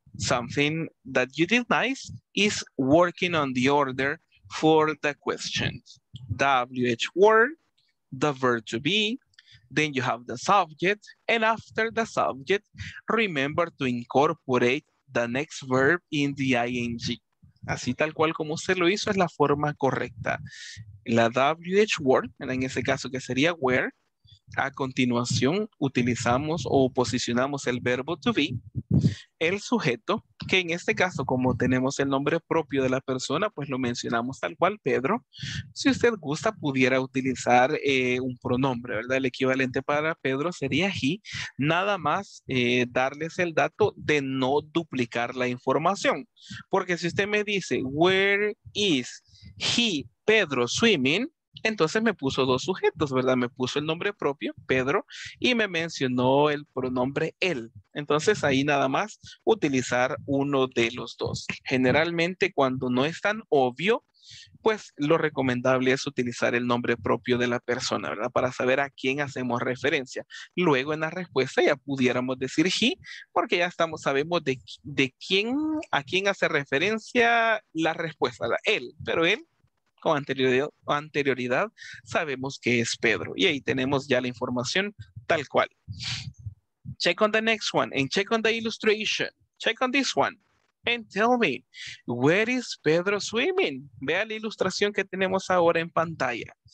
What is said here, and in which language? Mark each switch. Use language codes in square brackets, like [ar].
[en] Something that you did nice is working on the order for the questions. WH word, the verb to be, then you have the subject, and after the subject, remember to incorporate the next verb in the ing. [es] Así tal cual como usted lo hizo, es la forma correcta. La WH word, en ese caso que sería where, a continuación utilizamos o posicionamos el verbo to be, el sujeto, que en este caso como tenemos el nombre propio de la persona, pues lo mencionamos tal cual, Pedro. Si usted gusta, pudiera utilizar un pronombre, ¿verdad? El equivalente para Pedro sería he, nada más darles el dato de no duplicar la información. Porque si usted me dice, [en] where is he, Pedro, swimming? [es] Entonces me puso dos sujetos, ¿verdad? Me puso el nombre propio, Pedro, y me mencionó el pronombre él. Entonces ahí nada más utilizar uno de los dos. Generalmente cuando no es tan obvio, pues lo recomendable es utilizar el nombre propio de la persona, ¿verdad? Para saber a quién hacemos referencia. Luego en la respuesta ya pudiéramos decir he, porque ya estamos, sabemos de quién, a quién hace referencia la respuesta, ¿verdad? Él, pero él. Con anterioridad sabemos que es Pedro. Y ahí tenemos ya la información tal cual. [en] Check on the next one and check on the illustration. Check on this one and tell me, where is Pedro swimming? [es] Vea la ilustración que tenemos ahora en pantalla.